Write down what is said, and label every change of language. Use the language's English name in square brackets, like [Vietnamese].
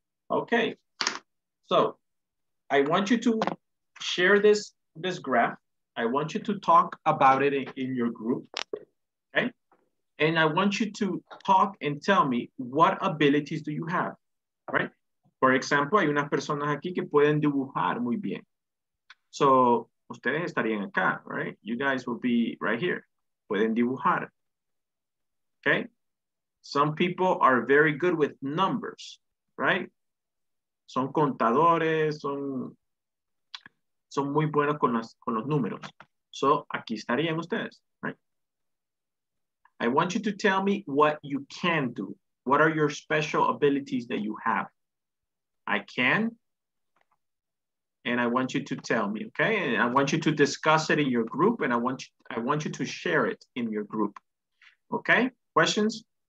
[English] Okay, so I want you to share this graph. I want you to talk about it in your group, okay? And I want you to talk and tell me what abilities do you have, right? For example, [Spanish] hay unas personas aquí que pueden dibujar muy bien. [English] So, [Spanish] ustedes estarían acá, [English] right? You guys will be right here. [Spanish] Pueden dibujar. [English] Okay? Some people are very good with numbers, right? [Spanish] Son contadores, son muy buenos con los números. So, aquí estarían ustedes, right? [English] I want you to tell me what you can do. What are your special abilities that you have? I can, and I want you to tell me, okay? And I want you to discuss it in your group, and I want you to share it in your group, okay? Questions?